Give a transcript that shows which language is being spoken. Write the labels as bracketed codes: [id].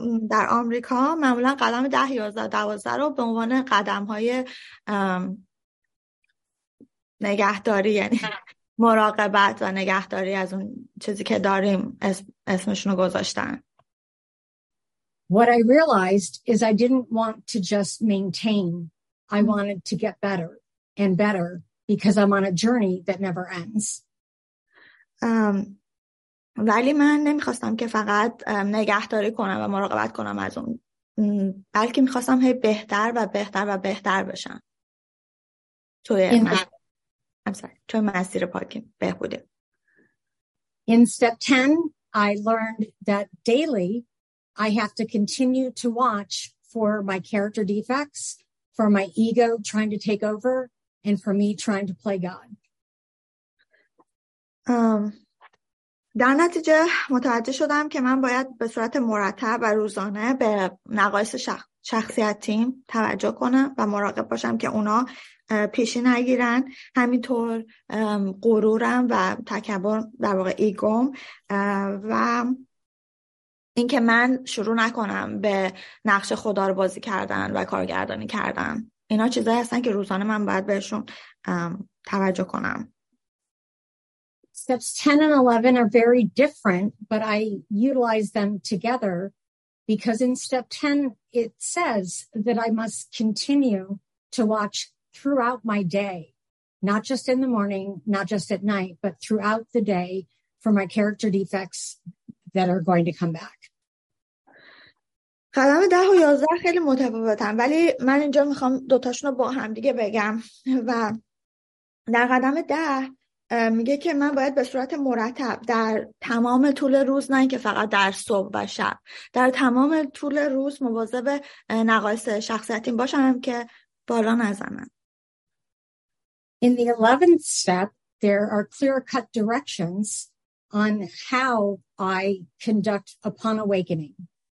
[fa] در آمریکا معمولا قدم 10 11 12 رو به عنوان قدم‌های نگهداری، یعنی مراقبت و نگهداری از اون چیزی که داریم، اسمشونو گذاشتن. [en] What I realized is I didn't want to just maintain. I wanted to get better and better because I'm on a journey that never ends. [fa] ولی من نمیخواستم که فقط نگهداری کنم و مراقبت کنم از اون، بلکه میخواستم هی بهتر و بهتر و بهتر بشم توی مسیر پاکی بهبودی. [en] In step 10, I learned that daily I have to continue to watch for my character defects, for my ego trying to take over, and for me trying to play God. [fa] در نتیجه متوجه شدم که من باید به صورت مرتب و روزانه به نقایص شخصیتیم توجه کنم و مراقب باشم که اونا پیشی نگیرن، همینطور غرورم و تکبر، در واقع ایگوم، و اینکه من شروع نکنم به نقش خدا رو بازی کردن و کارگردانی کردن. اینا چیزایی هستن که روزانه من باید بهشون توجه کنم. [en] Steps 10 and 11 are very different, but I utilize them together because in step 10, it says that I must continue to watch throughout my day, not just in the morning, not just at night, but throughout the day for my character defects that are going to come back. [fa] قدم 10 و 11 خیلی متفاوتن، ولی من اینجا میخوام دوتاشون رو با هم دیگه بگم. و در قدم 10 میگه که من باید به صورت مرتب در تمام طول روز، نه که فقط در صبح و شب، در تمام طول روز مواظب نقایص شخصیتیم باشم که بالا نزنم. [en] In the 11th step, there are clear-cut directions on how I conduct upon awakening.